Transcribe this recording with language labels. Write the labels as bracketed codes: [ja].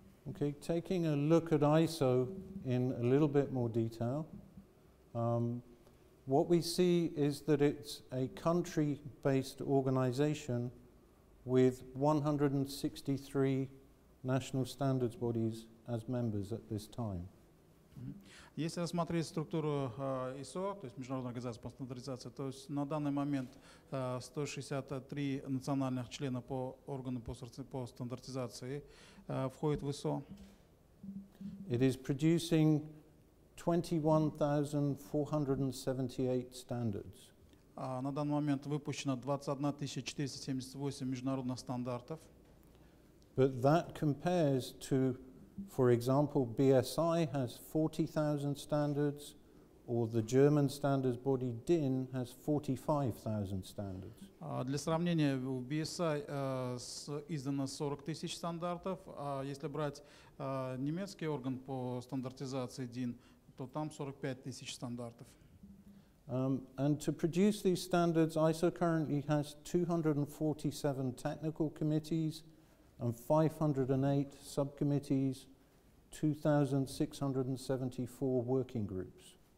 [en] Okay, taking a look at ISO in a little bit more detail, what we see is that it's a country-based organization with 163 national standards bodies as members at this time. [ru] Если рассмотреть структуру ISO, то есть Международной организации по стандартизации, то есть на данный момент 163 национальных члена по органу по стандартизации входит в ISO. [en] It is producing 21,478 standards. [ru] На данный момент выпущено 21,478 международных стандартов. [en] But that compares to For example, BSI has 40,000 standards, or the German standards body DIN has 45,000 standards. [ru] Для сравнения, в BSI издано 40 тысяч стандартов, а если брать немецкий орган по стандартизации DIN, то там 45 тысяч стандартов. [en] And to produce these standards, ISO currently has 247 technical committees and 508 subcommittees, 2674 working groups.